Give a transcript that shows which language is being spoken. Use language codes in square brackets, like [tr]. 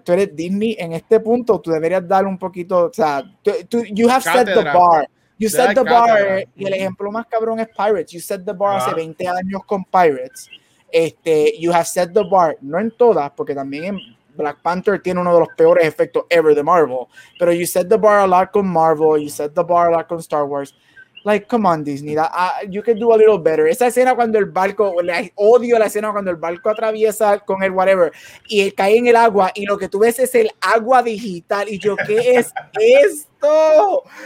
[es] Tú eres Disney, en este punto tú deberías dar un poquito, you have set the bar. You set the bar, y el ejemplo más cabrón es Pirates. You set the bar hace 20 años con Pirates. You have set the bar, no en todas, porque también en Black Panther tiene uno de los peores efectos ever de Marvel. [en] Pero you set the bar a lot con Marvel, you set the bar a lot con Star Wars. Like, come on, Disney, you can do a little better. [es] Esa escena cuando el barco, odio la escena cuando el barco atraviesa con el whatever, y él cae en el agua, y lo que tú ves es el agua digital, y yo, ¿qué es esto?